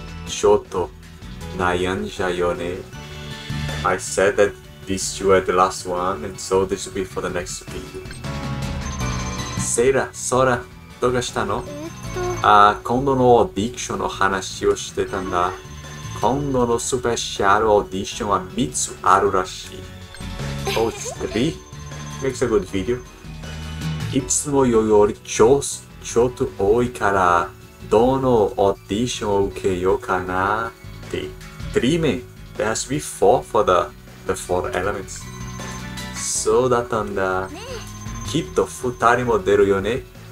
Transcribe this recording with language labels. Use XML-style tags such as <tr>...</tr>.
<ja>ちょっと悩んじゃうよね。</ja> <en>I said that these two are the last one, and so this will be for the next video.</en> <ja>Seira, Sora, どうかしたの？今度のオーディションの話をしてたんだ。今度のスペシャルオーディションは3つあるらしい。</ja> <en>Oh, it's three? Makes a good video.</en> <ja>いつもより超ちょっと多いから、どのオーディションを受けようかなって。 3名。</ja> <en>There has to be four for the four elements.</en> <ja>そうだったんだ。きっと二人も出るよね。</ja>